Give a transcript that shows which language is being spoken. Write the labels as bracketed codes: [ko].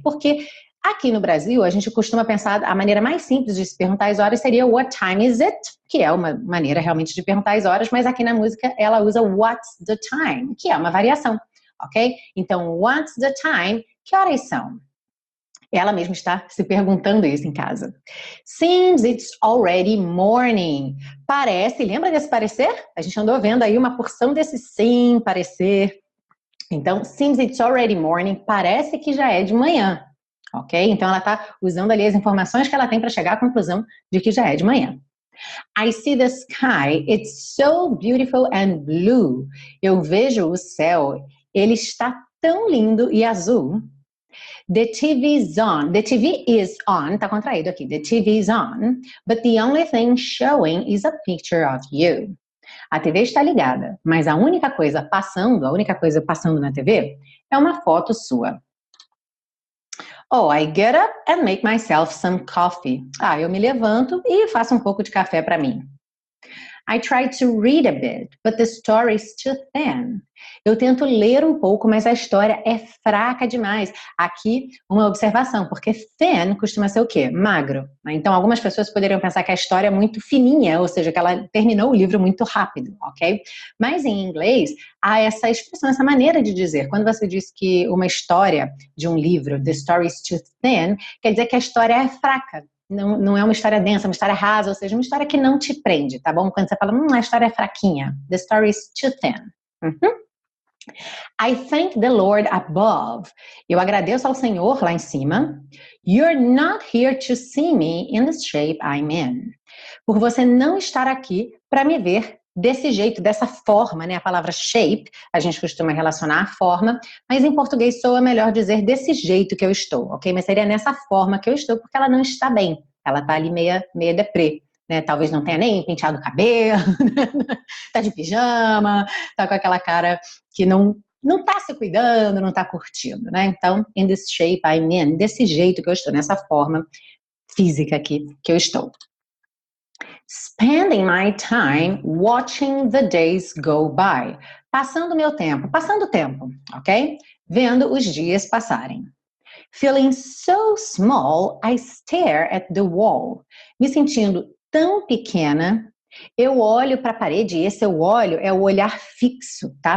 [pt] Porque aqui no Brasil, a gente costuma pensar, a maneira mais simples de se perguntar as horas seria [en] what time is it? [pt] Que é uma maneira realmente de perguntar as horas, mas aqui na música ela usa [en] what's the time? [pt] Que é uma variação, ok? Então, [en] what's the time? [pt] Que horas são? Ela mesma está se perguntando isso em casa. [en] Seems it's already morning. [pt] Parece, lembra desse parecer? A gente andou vendo aí uma porção desse sim, parecer. Então, [en] seems it's already morning, [pt] parece que já é de manhã, ok? Então, ela está usando ali as informações que ela tem para chegar à conclusão de que já é de manhã. [en] I see the sky, it's so beautiful and blue. [pt] Eu vejo o céu, ele está tão lindo e azul. [en] The TV is on, the TV is on, [pt] tá contraído aqui, [en] the TV is on, but the only thing showing is a picture of you. [pt] A TV está ligada, mas a única coisa passando na TV é uma foto sua. [en] Oh, I get up and make myself some coffee. [pt] Ah, eu me levanto e faço um pouco de café para mim. [en] I try to read a bit, but the story is too thin. [pt] Eu tento ler um pouco, mas a história é fraca demais. Aqui, uma observação, porque thin costuma ser o quê? Magro. Então, algumas pessoas poderiam pensar que a história é muito fininha, ou seja, que ela terminou o livro muito rápido, ok? Mas, em inglês, há essa expressão, essa maneira de dizer. Quando você diz que uma história de um livro, [en] the story is too thin, [pt] quer dizer que a história é fraca. Não é uma história densa, uma história rasa, ou seja, uma história que não te prende, tá bom? Quando você fala, a história é fraquinha. [en] The story is too thin. I thank the Lord above. [pt] Eu agradeço ao Senhor lá em cima. [en] You're not here to see me in the shape I'm in. [pt] Por você não estar aqui para me ver desse jeito, dessa forma, né? A palavra shape, a gente costuma relacionar a forma, mas em português soa melhor dizer desse jeito que eu estou, ok? Mas seria nessa forma que eu estou, porque ela não está bem. Ela tá ali meia deprê, né? Talvez não tenha nem penteado o cabelo, tá de pijama, tá com aquela cara que não tá se cuidando, não tá curtindo, né? Então, [en] in this shape I'm in, [pt] desse jeito que eu estou, nessa forma física aqui que eu estou. [en] Spending my time watching the days go by. [pt] Passando meu tempo, passando tempo, ok? Vendo os dias passarem. [en] Feeling so small, I stare at the wall. [pt] Me sentindo tão pequena, eu olho para a parede e esse eu olho é o olhar fixo, tá?